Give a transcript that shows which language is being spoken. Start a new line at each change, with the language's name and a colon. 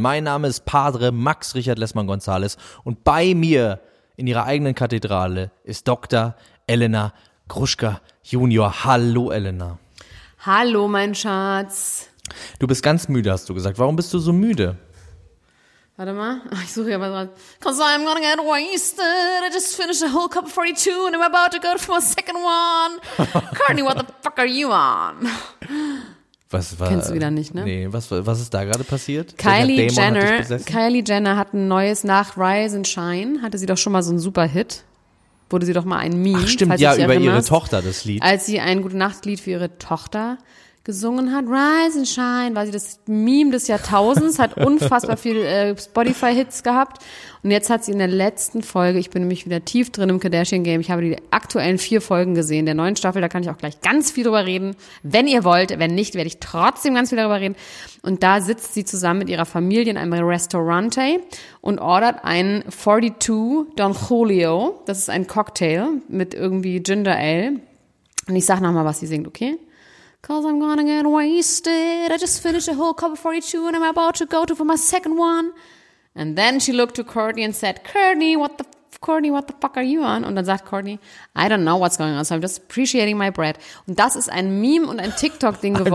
German: Mein Name ist Padre Max Richard Lessmann González und bei mir in ihrer eigenen Kathedrale ist Dr. Elena Groschka Junior. Hallo Elena. Hallo mein Schatz. Du bist ganz müde, hast du gesagt. Warum bist du so müde? Warte mal, ich suche ja mal dran.
English: Cause I'm gonna get wasted. I just finished a whole cup of 42 and I'm about to go for a second one. Courtney, what the fuck are you on?
German: Was war, kennst du wieder nicht, ne? Nee, was ist da gerade passiert? Kylie Jenner hat ein neues nach Rise and Shine. Hatte sie doch schon mal so einen super Hit. Wurde sie doch mal ein Meme. Ach stimmt, ja, über ihre Tochter das Lied. Als sie ein Gute-Nacht-Lied für ihre Tochter gesungen hat, Rise and Shine, war sie das Meme des Jahrtausends, hat unfassbar viel Spotify-Hits gehabt. Und jetzt hat sie in der letzten Folge, ich bin nämlich wieder tief drin im Kardashian-Game, ich habe die aktuellen 4 Folgen gesehen, der neuen Staffel, da kann ich auch gleich ganz viel drüber reden, wenn ihr wollt, wenn nicht, werde ich trotzdem ganz viel darüber reden. Und da sitzt sie zusammen mit ihrer Familie in einem Restaurante und ordert einen 42 Don Julio, das ist ein Cocktail mit irgendwie Ginger Ale. Und ich sag nochmal, was sie singt, okay?
English: Cause I'm gonna get wasted. I just finished a whole cup of 42 and I'm about to go to for my second one. And then she looked to Courtney and said, Courtney, what the fuck are you on?
German: Und dann sagt Courtney,
English: I don't know what's going on, so I'm just appreciating my bread.
German: Und das ist ein Meme und ein TikTok-Ding geworden.